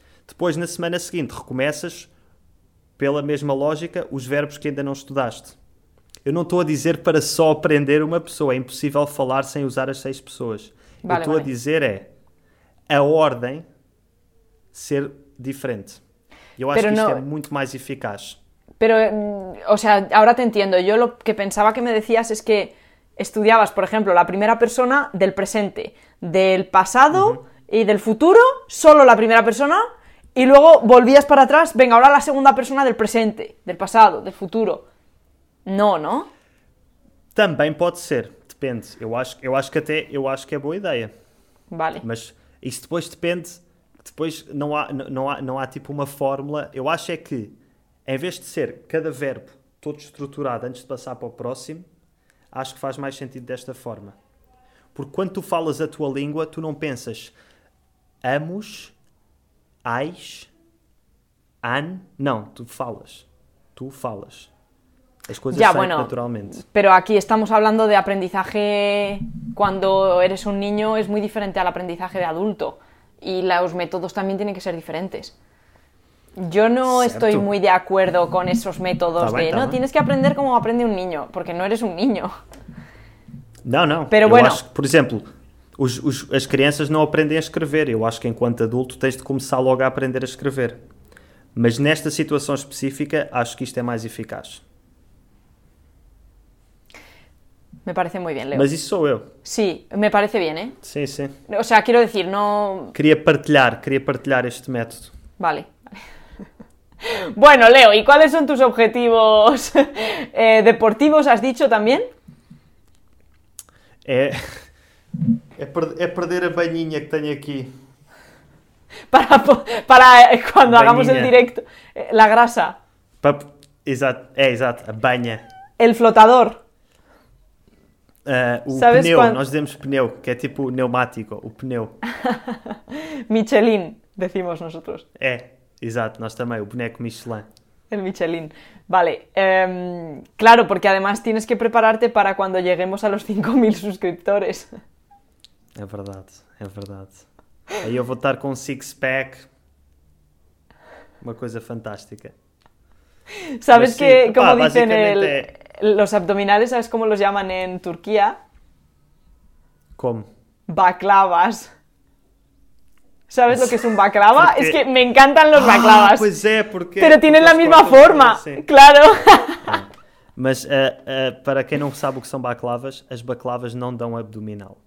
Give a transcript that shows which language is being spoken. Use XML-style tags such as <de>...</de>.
<pt>Depois, na semana seguinte, recomeças, pela mesma lógica, os verbos que ainda não estudaste. Eu não estou a dizer para só aprender uma pessoa. É impossível falar sem usar as seis pessoas. Vale, eu estou a dizer é a ordem ser diferente. Eu acho que isto é muito mais eficaz.</pt> <es>Pero, o sea, ahora te entiendo. Yo lo que pensaba que me decías es que estudiabas, por ejemplo, la primera persona del presente, del pasado y del futuro, solo la primera persona, y luego volvías para atrás, venga, ahora la segunda persona del presente, del pasado, del futuro. No, ¿no? También puede ser, depende. Yo acho que es buena idea. Vale.</es> <pt>Mas isto depois depende, depois não há tipo uma fórmula. Eu acho é que em vez de ser cada verbo todo estruturado antes de passar para o próximo, acho que faz mais sentido desta forma. Porque quando tu falas a tua língua, tu não pensas amos, ais, an... Não, tu falas. Tu falas. As coisas saem naturalmente. Pero aqui estamos falando de aprendizaje quando eres um niño, é muito diferente ao aprendizaje de adulto. E os métodos também têm que ser diferentes.</pt> <es>Yo no estoy muy de acuerdo con esos métodos de, no, tienes que aprender como aprende un niño, porque no eres un niño. No, no. Pero bueno.</es> <pt>Acho que,</pt> <es>por ejemplo,</es> <pt>as crianças no aprendem a escrever. Yo acho que enquanto adulto tens de começar logo a aprender a escrever. Mas nesta situação específica, acho que isto é mais eficaz.</pt> <es>Me parece muy bien, Leo.</es> <pt>Mas isso sou eu.</pt> <es>Sí, me parece bien, ¿eh? Sí, sí. O sea, quiero decir, no... Quería partilhar este método. Vale. Bueno, Leo, ¿y cuáles son tus objetivos deportivos, has dicho también? Perder a bañiña que tengo aquí. Para cuando hagamos el directo. La grasa. Exacto, a baña. El flotador. ¿Sabes pneu, cuando... nos decimos pneu, que es tipo neumático, el pneu. Michelin, decimos nosotros.</es> <pt>Exacto, nós também, o boneco Michelin.</pt> <es>El Michelin. Vale. Claro, porque además tienes que prepararte para cuando lleguemos a los 5.000 suscriptores.</es> <pt>É verdade, é verdade. Aí eu vou estar com um six-pack. Uma coisa fantástica.</pt> <es>Sabes que, como dicen los abdominales, ¿sabes cómo los llaman en Turquía? ¿Cómo? Baklavas. ¿Sabes lo que es un baklava? Porque... Es que me encantan los baklavas. Ah, pues porque... Pero tienen porque la misma forma, claro.</es> <pt>Mas para quem não sabe o que são baklavas, as baklavas não dão abdominal.</pt>